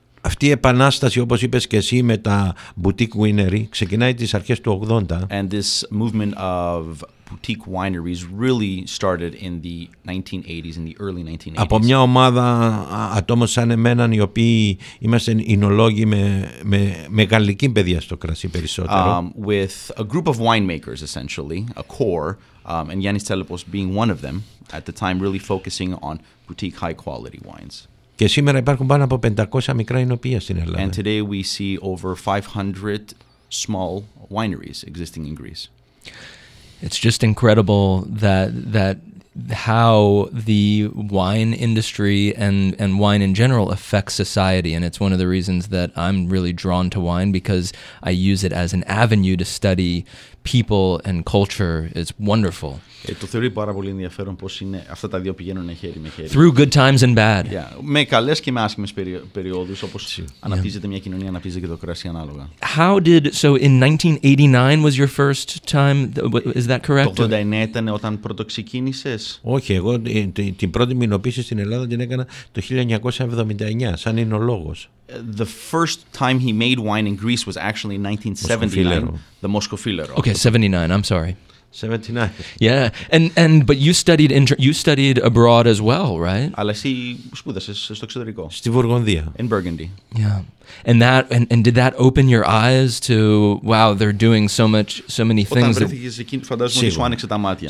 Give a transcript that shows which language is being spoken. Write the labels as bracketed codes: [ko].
[el] Αυτή η επανάσταση, όπως είπες και εσύ, με τα boutique winery, ξεκινάει τις αρχές του 80. [en] And this movement of boutique wineries really started in the 1980s, in the early 1980s. [el] Από μια ομάδα ατόμων σαν εμένα, οι οποίοι είμαστε οινολόγοι με γαλλική παιδεία στο κρασί περισσότερο. [en] With a group of winemakers, essentially, a core, and Yannis Tselepos being one of them, at the time really focusing on boutique high-quality wines. [el] Και σήμερα υπάρχουν πάνω από 500 μικρά ενοπία στην Ελλάδα. [en] And today we see over 500 small wineries existing in Greece. It's just incredible that how the wine industry and wine in general affects society. And it's one of the reasons that I'm really drawn to wine, because I use it as an avenue to study people and culture. It's wonderful. [el] Το θεωρεί πάρα πολύ ενδιαφέρον πώς είναι αυτά τα δύο πηγαίνουν χέρι με χέρι. [en] Through good times and bad. Yeah. [el] Με καλές και με άσχημες περιόδους, όπως αναπτύσσεται μια κοινωνία, αναπτύσσεται και το κρασί ανάλογα. [en] How did, so in 1989 was your first time, is that correct? [el] Το 89 ήταν όταν πρώτο ξεκίνησες. Όχι, εγώ την πρώτη μου ενοπίση στην Ελλάδα την έκανα το 1979, σαν ενολόγος. [en] The first time he made wine in Greece was actually in 1979. Moscofilero. The Moscofilero. Okay, 79, I'm sorry. 79. Yeah, and but you studied abroad as well, right? [el] Αλλά εσύ σπούδασες στο εξωτερικό. Στη Βουργονδία. [en] In Burgundy. Yeah, and that and did that open your eyes to, wow, they're doing so much, so many things. [el] Όταν βρέθηκες εκεί, φαντάζομαι ότι σου άνοιξε τα μάτια.